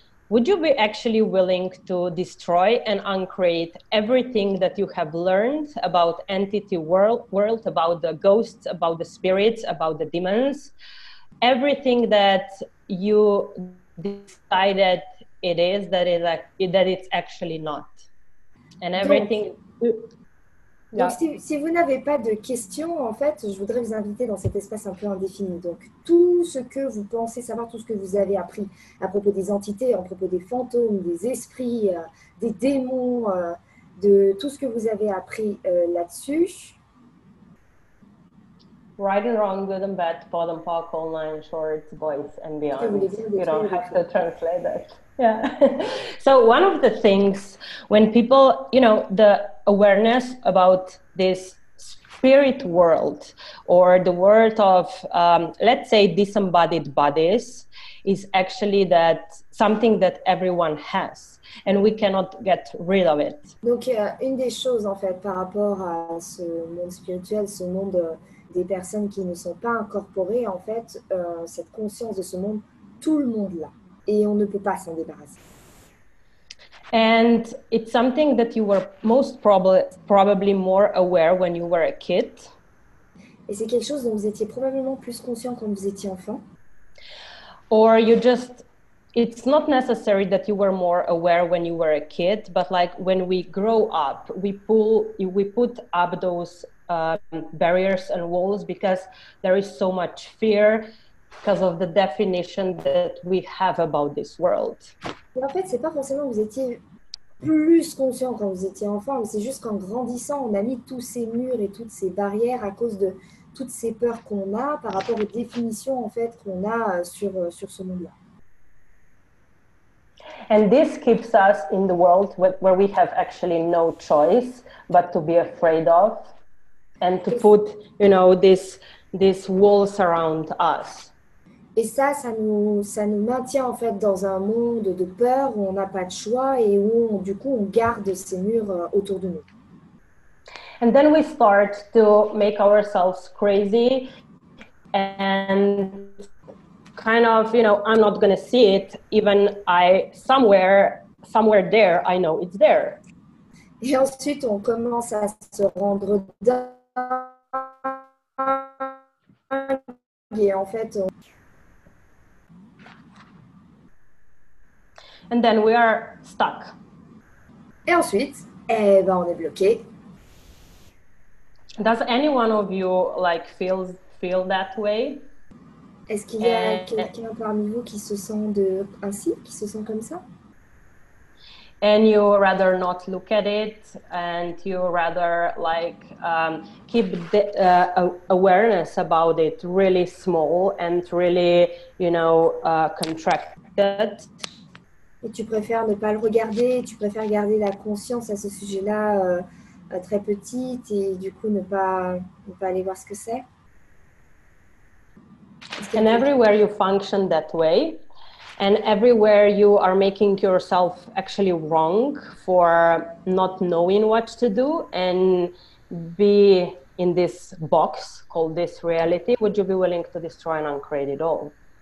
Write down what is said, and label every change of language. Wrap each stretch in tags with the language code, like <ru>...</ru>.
<en>Would you be actually willing to destroy and uncreate everything that you have learned about entity world, about the ghosts, about the spirits, about the demons, everything that you decided it is, that it like, that it's actually not, and everything.</en> <fr>Donc, yeah. Si vous n'avez pas de questions, en fait, je voudrais vous inviter dans cet espace un peu indéfini. Donc, tout ce que vous pensez savoir, tout ce que vous avez appris à propos des entités, à propos des fantômes, des esprits, des démons, de tout ce que vous avez appris là-dessus.</fr> <en>Right and wrong, good and bad, bottom, park, online, short, voice and beyond. You don't have to translate that. Yeah. So one of the things when people, you know, the awareness about this spirit world or the world of, let's say, disembodied bodies is actually that something that everyone has and we cannot get rid of it.</en> <fr>Donc, une des choses, en fait, par rapport à ce monde spirituel, ce monde des personnes qui ne sont pas incorporées, en fait, cette conscience de ce monde, tout le monde l'a. Et on ne peut pas s'en débarrasser.</fr> <en>And it's something that you were most probably more aware when you were a kid.</en> <fr>Et c'est quelque chose dont vous étiez probablement plus conscient quand vous étiez enfant.</fr> <en>Or you just, it's not necessary that you were more aware when you were a kid, but like when we grow up, we put up those barriers and walls because there is so much fear because of the definition that we have about this world.</en> <fr>Et en fait, c'est pas forcément que vous étiez plus conscient quand vous étiez enfant, mais c'est juste qu'en grandissant, on a mis tous ces murs et toutes ces barrières à cause de toutes ces peurs qu'on a par rapport aux définitions en fait qu'on a sur ce monde-là.</fr> <en>And this keeps us in the world where we have actually no choice but to be afraid of and to put, you know, these walls around us.</en> <fr>Et ça, ça nous maintient en fait dans un monde de peur où on n'a pas de choix et où on, du coup on garde ces murs autour de nous.</fr> <en>And then we start to make ourselves crazy and kind of, you know, I'm not going to see it, even I somewhere there, I know it's there.</en> <fr>Et ensuite, on commence à se rendre dingue et en fait...</fr> <en>And then we are stuck.</en> <fr>Et ensuite, eh ben on est bloqué.</fr> <en>Does anyone of you like feel that way?</en> <fr>Est-ce qu'il y a quelqu'un parmi vous qui se sent ainsi, qui se sent comme ça?</fr> <en>And you rather not look at it, and you rather like keep the awareness about it really small and really, you know, contracted.</en> <fr>Et tu préfères ne pas le regarder, tu préfères garder la conscience à ce sujet-là très petite et du coup ne pas aller voir ce que c'est.</fr> <en>And everywhere you function that way, and everywhere you are making yourself actually wrong for not knowing what to do and be in this box called this reality, would you be willing to destroy and uncreate it all?</en>